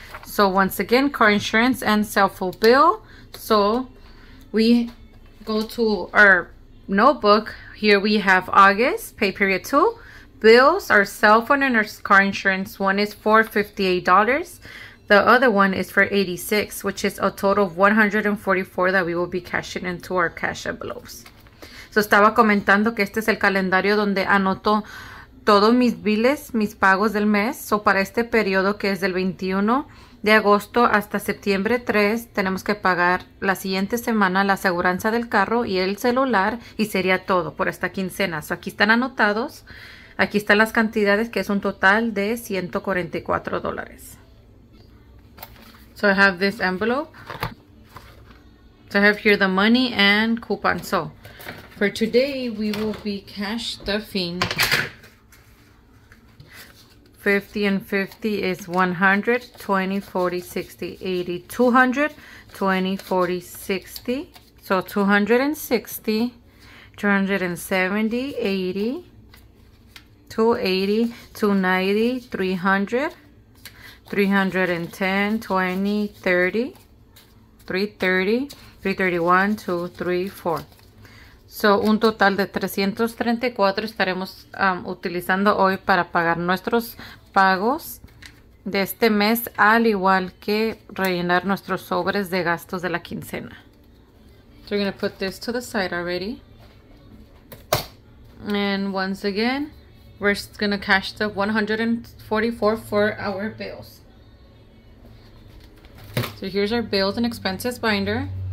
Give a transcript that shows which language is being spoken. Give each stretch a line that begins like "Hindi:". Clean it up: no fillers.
English: So once again, car insurance and cell phone bill. So we go to our notebook. Here we have August pay period 2 bills. Our cell phone and our car insurance, one is for $58, the other one is for $86, which is a total of $144 that we will be cashing into our cash envelopes.
Spanish: So estaba comentando que este es el calendario donde anoto todos mis biles, mis pagos del mes. So para este periodo, que es del 21 de agosto hasta septiembre 3, tenemos que pagar la siguiente semana la aseguranza del carro y el celular, y sería todo por esta quincena. So aquí están anotados, aquí están las cantidades, que es un total de $144.
English: So I have this envelope. So I have here the money and coupon. So for today, we will be cash stuffing. 50 and 50 is 100, 20, 40, 60, 80, 200, 20, 40, 60. So 260, 270, 80, 280, 290, 300, 310, 20, 30, 330, 331, 2, 3, 4.
Spanish: So, un total de 334 estaremos utilizando hoy para pagar nuestros pagos de este mes, al igual que rellenar nuestros sobres de gastos de la quincena.
English: So, we're going to put this to the side already. And once again, we're going to cash the $144 for our bills. So, here's our bills and expenses binder.